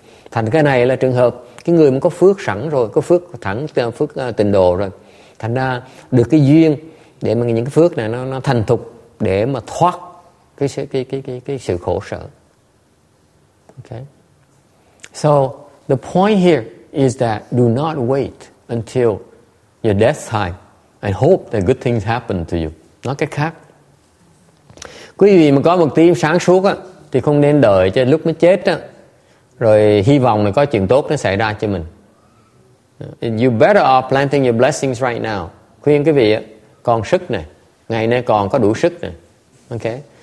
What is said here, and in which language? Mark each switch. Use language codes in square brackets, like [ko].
[vi] Thành cái này là trường hợp cái người mà có phước sẵn rồi, có phước thẳng, phước tình độ rồi. Thành ra được cái duyên để mà những cái phước này nó thành thục để mà thoát cái sự khổ sở. [en] Okay. So the point here is that do not wait until your death time and hope that good things happen to you. [vi] Nói cách khác, quý vị mà có một tim sáng suốt á thì không nên đợi cho lúc mới chết á rồi hy vọng là có chuyện tốt nó xảy ra cho mình. [en] You better off planting your blessings right now. [vi] Khuyên quý vị á, còn sức này, ngày nay còn có đủ sức này. Okay.